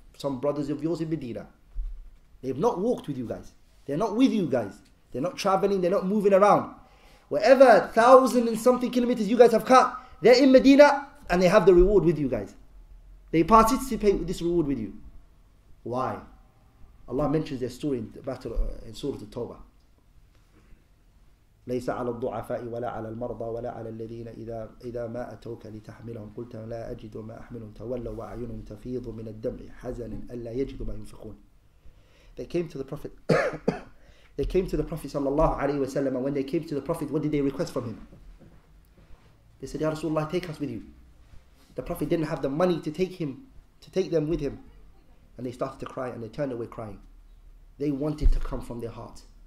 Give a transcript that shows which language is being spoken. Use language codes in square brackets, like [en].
[en] Some brothers of yours in Medina, they have not walked with you guys, they're not with you guys, they're not traveling, they're not moving around. Whatever 1,000 and something kilometers you guys have cut, they're in Medina and they have the reward with you guys. They participate with this reward with you. Why? Allah mentions their story in the battle in Surah At-Tawbah. [ar] ليس على الضعفاء ولا على المرضى ولا على الذين إذا ما أتوك لتحملهم قلت لا أجد ما أحملهم تولوا وأعينهم تفيض من الدمع حزنا ألا يجدوا ما ينفقون. [en] They came to the Prophet. They came to the Prophet sallallahu alaihi wasallam. When they came to the Prophet, what did they request from him? They said, Ya Rasulullah, take us with you. The Prophet didn't have the money to take him, to take them with him. And they started to cry and they turned away crying. They wanted to come from their heart.